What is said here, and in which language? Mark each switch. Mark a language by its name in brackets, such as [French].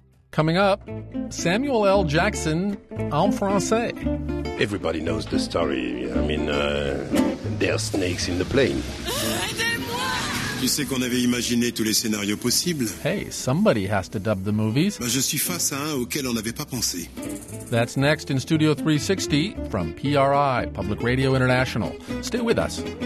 [English] Coming up, Samuel L. Jackson, [French] en français. [English] Everybody knows the story. I mean, there are snakes in the plane. [French] Tu sais qu'on avait imaginé tous les scénarios possibles. [English] Hey, somebody has to dub the movies. [French] Je suis face à un auquel on n'avait pas pensé. [English] That's next in Studio 360 from PRI, Public Radio International. Stay with us.